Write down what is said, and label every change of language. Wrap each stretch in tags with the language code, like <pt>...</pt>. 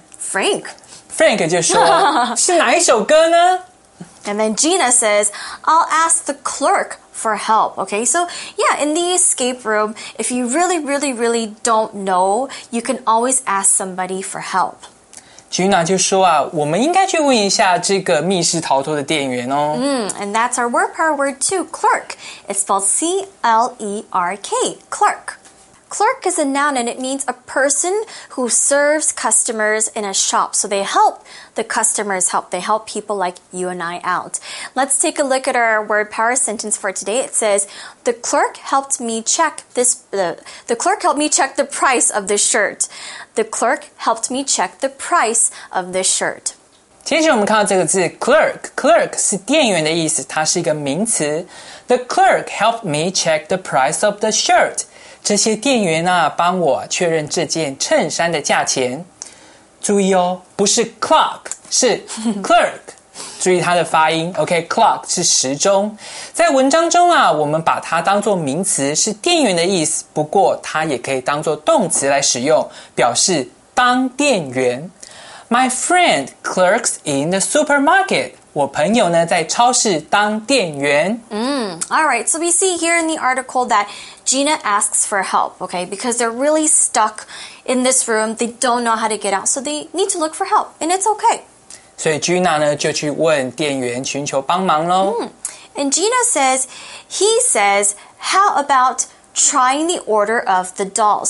<en>Frank</en> <zh>就说是哪一首歌呢？</zh> <en>And then Gina says, I'll ask the clerk for help. Okay, so yeah, in the escape room, if you really, really, really don't know, you can always ask somebody for help.</en> <zh>Gina 就说啊，我们应该去问一下这个密室逃脱的店员哦。</zh> <en>And that's our word power word too, clerk. It's spelled C-L-E-R-K, clerk. Clerk is a noun and it means a person who serves customers in a shop. So they help the customers help. They help people like you and I out. Let's take a look at our word power sentence for today. It says, The clerk helped me check the price of this shirt. The clerk helped me check the price of this shirt.</en> <zh>其实我们看到这个字 clerk 是店员的意思，它是一个名词。</zh> <en>The clerk helped me check the price of the shirt.</en> <zh>这些店员啊，帮我确认这件衬衫的价钱。注意哦，不是 clock, 是 clerk. 注意它的发音 ,OK, clock 是时钟。在文章中啊，我们把它当作名词，是店员的意思，不过它也可以当作动词来使用，表示当店员。</zh> <en>My friend clerks in the supermarket.</en> <zh>我朋友呢在超市当店员。</zh> <en>Alright, so we see here in the article that Gina asks for help, okay, because they're really stuck in this room, they don't know how to get out, so they need to look for help, and it's okay.</en> <zh>所以 Gina 呢就去问店员寻求帮忙咯。</zh> <en>And Gina says, he says, how about trying the order of the dolls?</en>